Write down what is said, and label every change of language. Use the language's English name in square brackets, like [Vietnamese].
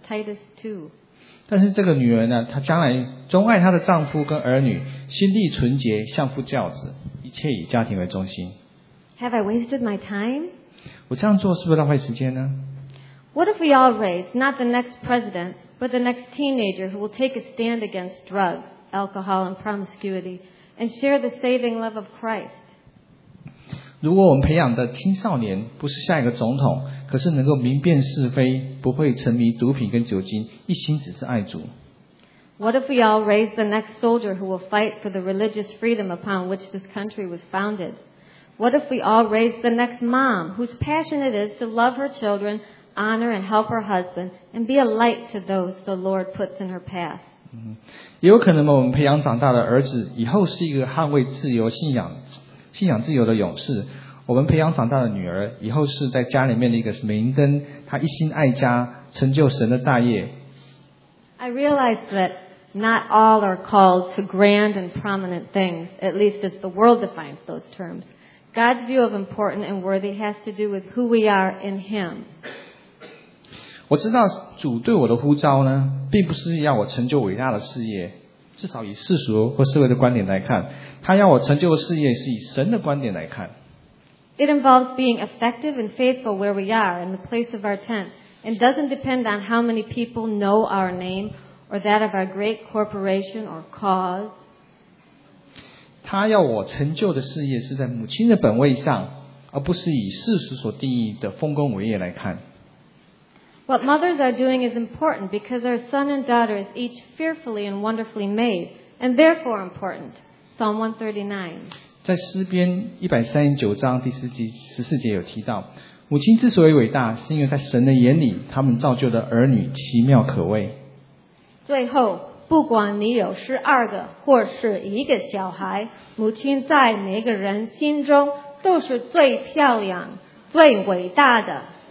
[English] Titus 2. [Chinese] 但是这个女人呢，她将来钟爱她的丈夫跟儿女，心地纯洁，相夫教子，一切以家庭为中心。 [English] Have I wasted my time? [Chinese] 我这样做是不是浪费时间呢？ [English] What if we all raise not the next president? But the next teenager who will take a stand against drugs, alcohol, and promiscuity, and share the saving love of Christ. [Chinese] 如果我们培养的青少年不是下一个总统，可是能够明辨是非，不会沉迷毒品跟酒精，一心只是爱主。 [English] What if we all raise the next soldier who will fight for the religious freedom upon which this country was founded? What if we all raise the next mom whose passion it is to love her children? Honor and help her husband, and be a light to those the Lord puts in her path. [Chinese] 也有可能我们培养长大的儿子以后是一个捍卫自由信仰自由的勇士。我们培养长大的女儿以后是在家里面的一个明灯，她一心爱家，成就神的大业。 [English] I realize that not all are called to grand and prominent things, at least as the world defines those terms. God's view of important and worthy has to do with who we are in Him. [Chinese] 我知道主对我的呼召呢，并不是要我成就伟大的事业，至少以世俗或社会的观点来看，他要我成就事业是以神的观点来看。 [English] It involves being effective and faithful where we are in the place of our tent and doesn't depend on how many people know our name or that of our great corporation or cause. [Chinese] 他要我成就的事业是在母亲的本位上而不是以世俗所定义的丰功伟业来看。 [English] What mothers are doing is important because our son and daughter is each fearfully and wonderfully made and therefore important. Psalm 139. [Chinese] 在诗篇139章第14节有提到母亲之所以伟大是因为在神的眼里他们造就的儿女奇妙可畏。最后不管你有十二个或是一个小孩母亲在每个人心中都是最漂亮最伟大的。